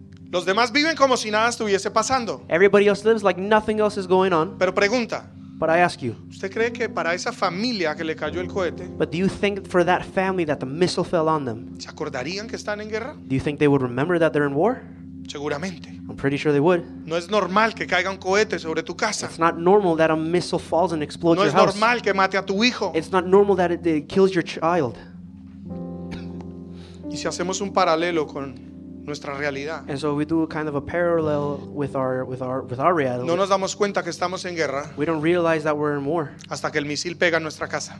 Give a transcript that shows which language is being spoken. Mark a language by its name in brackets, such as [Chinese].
[Spanish] Los demás viven como si nada estuviese pasando. [English] Everybody else lives like nothing else is going on. [Spanish] Pero pregunta. [English] But I ask you. [Spanish] ¿Usted cree que para esa familia que le cayó el cohete? [English] But do you think for that family that the missile fell on them? [Spanish] ¿Se acordarían que están en guerra? [English] Do you think they would remember that they're in war? [Spanish] Seguramente. [English] I'm pretty sure they would. [Spanish] No es normal que caiga un cohete sobre tu casa. [English] It's not normal that a missile falls and explodes [Spanish] no [English] your house. [Spanish] No es normal que mate a tu hijo. [English] It's not normal that it kills your child. [Spanish] Y si hacemos un paralelo con nuestra realidad. [English] And so we do kind of a parallel with our reality. [Spanish] No nos damos cuenta que estamos en guerra. [English] We don't realize that we're in war. [Spanish] Hasta que el misil pega en nuestra casa.